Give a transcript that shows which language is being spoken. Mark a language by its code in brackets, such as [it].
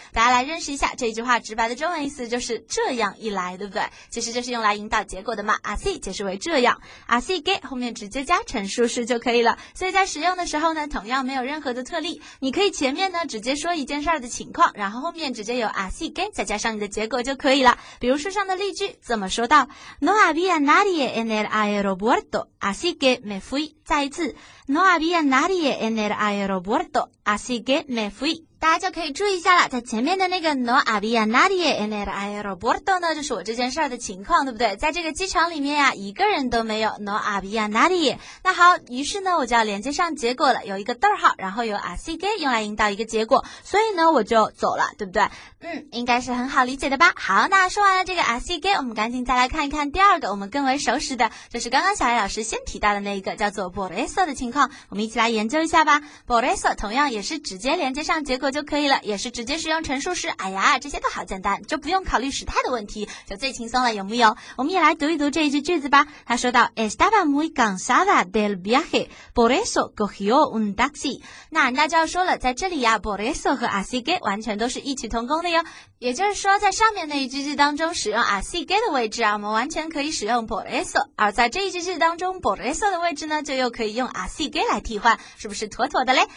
[zh] 大家来认识一下这一句话直白的中文意思，就是这样一来，对不对？其实就是用来引导结果的嘛。así 解释为这样， así que 后面直接加陈述式就可以了。所以在使用的时候呢，同样没有任何的特例，你可以前面呢直接说一件事的情况，然后后面直接有 así que 再加上你的结果就可以了。比如书上的例句怎么说到 [es] No había nadie en el aeropuerto así que me fui， [zh] 再一次 [es] No había nadie en el aeropuerto así que me fui。 [zh] 大家就可以注意一下了，在前面的那个 [es] No había nadie en el aeropuerto [zh] 呢，就是我这件事儿的情况，对不对？在这个机场里面呀，一个人都没有 ， [es] No había nadie。 [zh] 那好，于是呢，我就要连接上结果了，有一个逗号，然后有 así que 用来引导一个结果，所以呢，我就走了，对不对？嗯，应该是很好理解的吧？好，那说完了这个 así que， 我们赶紧再来看一看第二个我们更为熟识的，就是刚刚小艾老师先提到的那一个叫做 por eso 的情况，我们一起来研究一下吧。 por eso 同样也是直接连接上结果。就可以了，也是直接使用陈述时，哎呀，这些都好简单，就不用考虑时态的问题，就最轻松了，有没有？我们也来读一读这一句句子吧。他说到 [es] Estaba muy cansada del viaje, por eso cogió un taxi。 [zh] 那就要说了，在这里呀， por eso 和 así que 完全都是异曲同工的哟。也就是说，在上面那一句句当中使用 así que 的位置啊，我们完全可以使用 por eso， 而在这一句句当中 por eso 的位置呢，就又可以用 así que 来替换，是不是妥妥的嘞？